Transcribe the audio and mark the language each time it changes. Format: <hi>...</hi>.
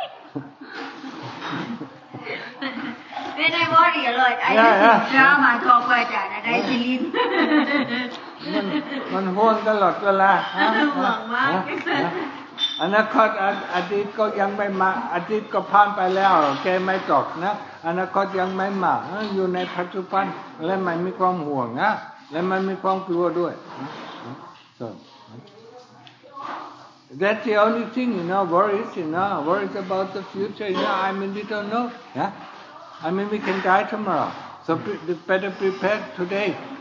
<en>When I worry a lot, I just drown my coffee and I sleep.</en> <th>มัน ห่วง ตลอด เวลา ห่วงมาก อนาคตอดีตก็ยังไม่มาอดีตก็ผ่านไปแล้วแกไม่ตกนะอนาคตยังไม่มา อยู่ในปัจจุบัน และมันมีความห่วง นะ และมันมีความกลัวด้วย</th> <en>So that's the only thing, you know, worries, you know, worries about the future, you know. I mean, we don't know, yeah. I mean, we can die tomorrow, so better prepare today.</en>